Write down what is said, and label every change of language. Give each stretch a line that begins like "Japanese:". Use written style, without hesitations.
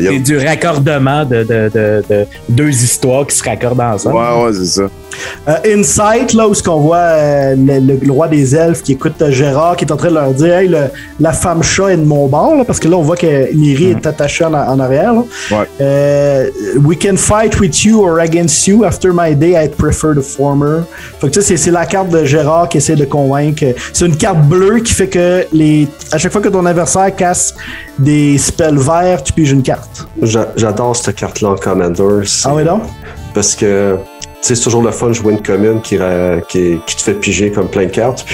French: y a... C'est du raccordement de 2 histoires qui se raccordent ensemble. Ouais, ouais, c'est ça. Insight, là où ce qu'on voit le roi des elfes qui écoute Gérard, qui est en train de leur dire hey, la femme chat est de mon bord, là, parce que là on voit que Miri est attachée en arrière. Ouais.
English: We can fight with you or against you. After my day, I prefer the former.
French: Fait que, c'est la carte de Gérard qui essaie de convaincre. C'est une carte bleue qui fait que à chaque fois que ton adversaire casse des spells verts, tu piges une carte. J'adore cette carte-là, Commander. Ah oui, donc? Parce que. C'est toujours le fun de jouer une commune qui te fait piger comme plein de cartes.